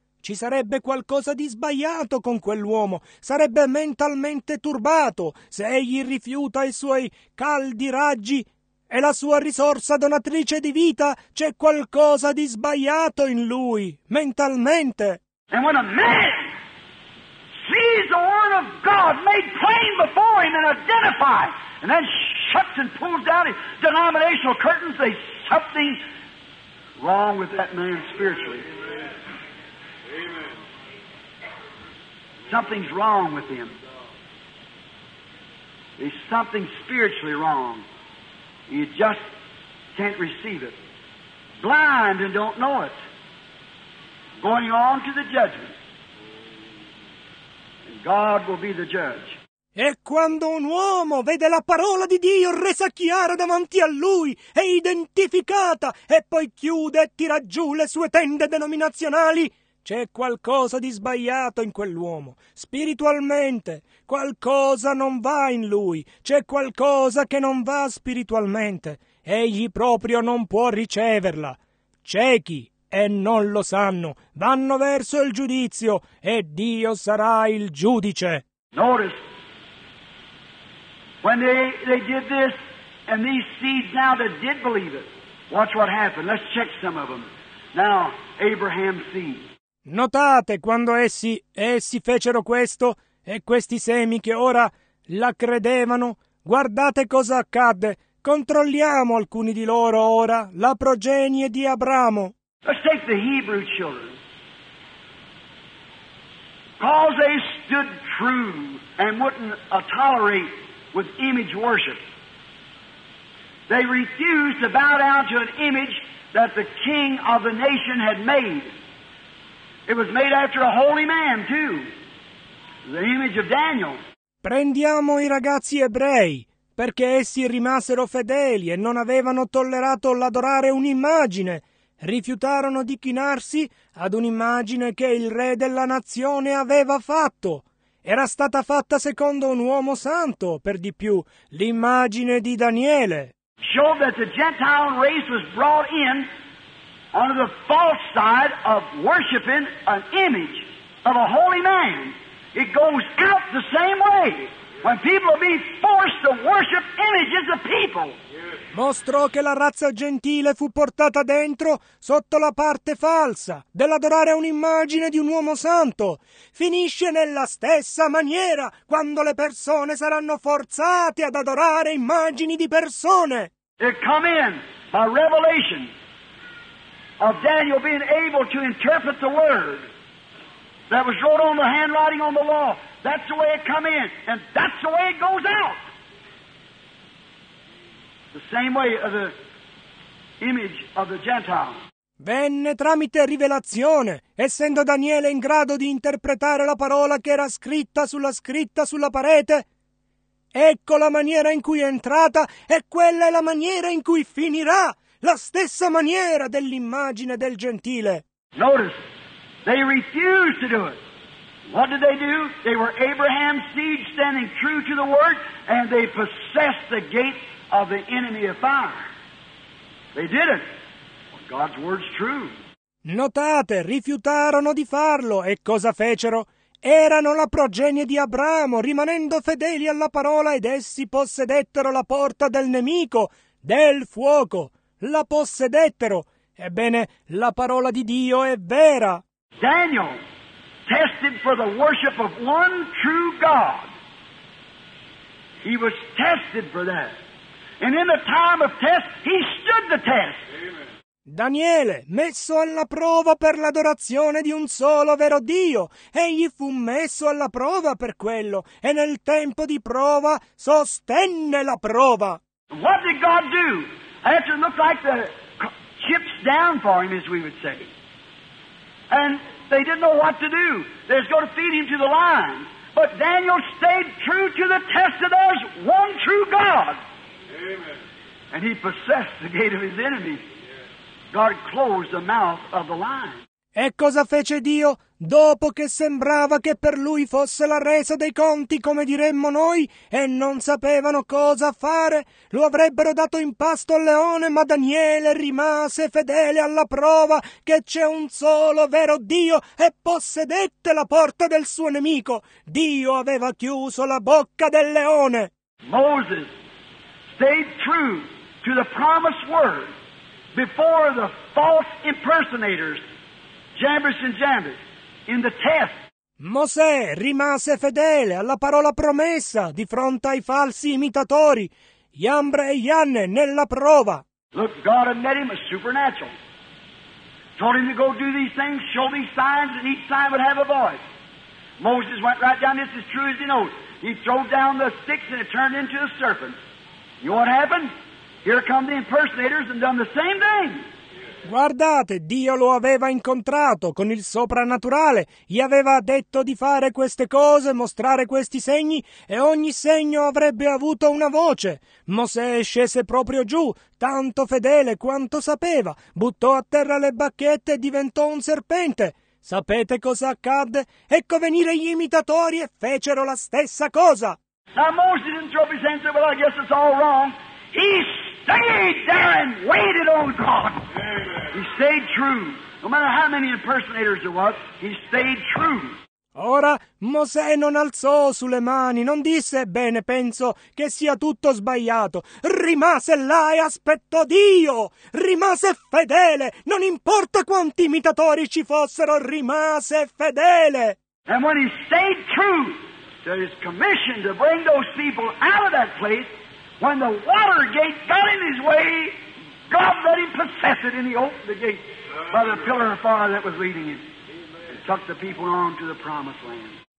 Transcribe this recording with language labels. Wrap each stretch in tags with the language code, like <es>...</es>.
<it>Ci sarebbe qualcosa di sbagliato con quell'uomo, sarebbe mentalmente turbato se egli rifiuta i suoi caldi raggi e la sua risorsa donatrice di vita. C'è qualcosa di sbagliato in lui, mentalmente.</it> <en>And when a man sees the word of God made plain before him and identifies, and then shuts and pulls down his denominational curtains, there's something wrong with that man spiritually. Something's wrong with him. There's something spiritually wrong. You just can't receive it. Blind and don't know it. Going on to the judgment. And God will be the judge.</en> <it>E quando un uomo vede la parola di Dio resa chiara davanti a lui e identificata e poi chiude e tira giù le sue tende denominazionali, c'è qualcosa di sbagliato in quell'uomo, spiritualmente. Qualcosa non va in lui, c'è qualcosa che non va spiritualmente. Egli proprio non può riceverla. Ciechi, e non lo sanno, vanno verso il giudizio, e Dio sarà il giudice.</it> <en>Notice, when they did this, and these seeds now that did believe it, watch what happened, let's check some of them. Now, Abraham's seed.</en> <it>Notate, quando essi fecero questo, E questi semi che ora la credevano, guardate cosa accadde. Controlliamo alcuni di loro ora, la progenie di Abramo.</it> <en>Let's take the Hebrew children. Because they stood true and wouldn't tolerate with image worship. They refused to bow down to an image that the king of the nation had made. It was made after a holy man too. The image of Daniel.</en> <it>Prendiamo i ragazzi ebrei, perché essi rimasero fedeli e non avevano tollerato l'adorare un'immagine. Rifiutarono di chinarsi ad un'immagine che il re della nazione aveva fatto. Era stata fatta secondo un uomo santo, per di più, l'immagine di Daniele.</it> <en>Showed that the Gentile race was brought in on the false side of worshiping an image of a holy man. It goes out the same way when people be forced to worship images of people.</en> <it>Mostrò che la razza gentile fu portata dentro sotto la parte falsa dell'adorare un'immagine di un uomo santo. Finisce nella stessa maniera quando le persone saranno forzate ad adorare immagini di persone.</it> <en>It come in by revelation of Daniel being able to interpret the word that was wrote on the handwriting on the law. That's the way it come in, and that's the way it goes out. The same way of the image of the Gentile.</en> <it>Venne tramite rivelazione, essendo Daniele in grado di interpretare la parola che era scritta sulla parete. Ecco la maniera in cui è entrata e quella è la maniera in cui finirà, la stessa maniera dell'immagine del gentile.</it> <en>Notice, they refused to do it. What did they do? They were Abraham's seed standing true to the word and they possessed the gate of the enemy of fire. They did it. God's word's true.</en> <it>Notate, rifiutarono di farlo e cosa fecero? Erano la progenie di Abramo, rimanendo fedeli alla parola, ed essi possedettero la porta del nemico, del fuoco. La possedettero. Ebbene, la parola di Dio è vera.</it> <en>Daniel tested for the worship of one true God. He was tested for that. And in the time of test, he stood the test.</en> <it>Daniele, messo alla prova per l'adorazione di un solo vero Dio, egli fu messo alla prova per quello, e nel tempo di prova sostenne la prova.</it> <en>What did God do? After it looked like the chips down for him, as we would say. And they didn't know what to do. They was going to feed him to the lions. But Daniel stayed true to the test of there's one true God. Amen. And he possessed the gate of his enemies. God closed the mouth of the lion.</en> <it>E cosa fece Dio? Dopo che sembrava che per lui fosse la resa dei conti, come diremmo noi, e non sapevano cosa fare, lo avrebbero dato in pasto al leone, ma Daniele rimase fedele alla prova che c'è un solo vero Dio e possedette la porta del suo nemico. Dio aveva chiuso la bocca del leone.</it> <en>Moses stayed true to the promised word. Before the false impersonators, Jabesh and Jabesh, in the test.</en> <it>Mosè rimase fedele alla parola promessa di fronte ai falsi imitatori, Jambre e Janne, nella prova.</it> <en>Look, God had met him a supernatural. Told him to go do these things, show these signs, and each sign would have a voice. Moses went right down, this is true as he knows. He threw down the sticks and it turned into a serpent. You know what happened? Here come the impersonators and done the same thing.</en> <it>Guardate, Dio lo aveva incontrato con il soprannaturale, gli aveva detto di fare queste cose, mostrare questi segni, e ogni segno avrebbe avuto una voce. Mosè scese proprio giù, tanto fedele quanto sapeva, buttò a terra le bacchette e diventò un serpente. Sapete cosa accadde? Ecco venire gli imitatori e fecero la stessa cosa.</it> <en>Now Mosè didn't throw his hands up, well, I guess it's all wrong. He stayed there and waited on God. Amen. He stayed true. No matter how many impersonators there was, he stayed true.</en> <it>Ora, Mosè non alzò sulle mani, non disse, bene, penso che sia tutto sbagliato. Rimase là e aspettò Dio. Rimase fedele. Non importa quanti imitatori ci fossero, rimase fedele.</it> <en>And when he stayed true, that is commissioned to bring those people out of that place, when the water gate got in his way, God let him possess it, and he opened the gate by the pillar of fire that was leading him. And took the people on to the promised land.</en>